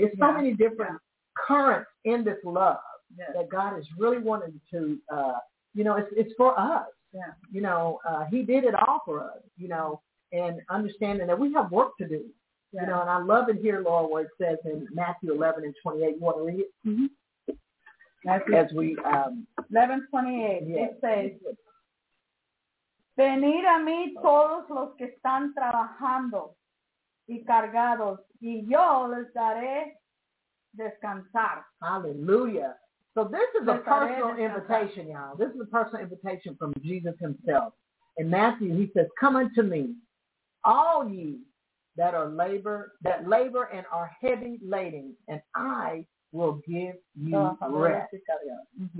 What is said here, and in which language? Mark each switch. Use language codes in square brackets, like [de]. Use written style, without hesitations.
[en] It's so many different currents in this love that God is really wanting to, you know, it's for us. Yeah. You know, he did it all for us, you know, and understanding that we have work to do. Yeah. You know, and I love it here, Lord, where it says in Matthew 11:28, you want to read it? Mm-hmm. As we [es] 11:28, [en] it says, [es] venid a mí todos los que están trabajando y cargados, y yo les daré descansar. [en] Hallelujah. So this is a personal invitation, y'all. This is a personal invitation from Jesus himself. In Matthew, he says, come unto me, all ye that labor and are heavy laden, and I will give you rest. Mm-hmm.